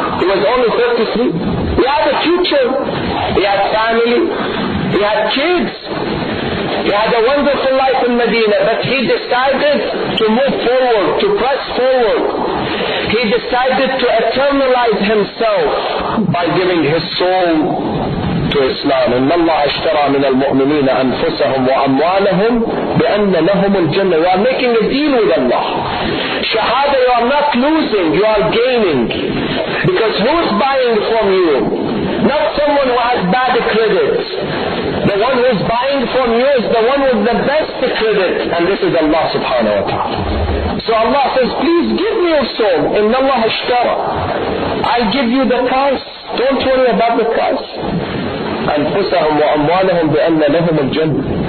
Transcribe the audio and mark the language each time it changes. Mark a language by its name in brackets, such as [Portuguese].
[English] He was only 33. He had a future. He had family. He had kids. He had a wonderful life in Medina. But he decided to move forward, to press forward. He decided to eternalize himself by giving his soul to Islam. [Arabic] إن الله اشترى من المؤمنين أنفسهم وأموالهم بأن لهم الجنة. [English] You are making a deal with Allah. Shahada, you are not losing, you are gaining. Because who is buying from you? Not someone who has bad credit. The one who is buying from you is the one with the best credit. And this is Allah subhanahu wa ta'ala. So Allah says, please give me your soul. [Arabic] إن الله اشترى. [English] I'll give you the price. Don't worry about the price. [Arabic] أنفسهم وأموالهم بأن لهم الجنة.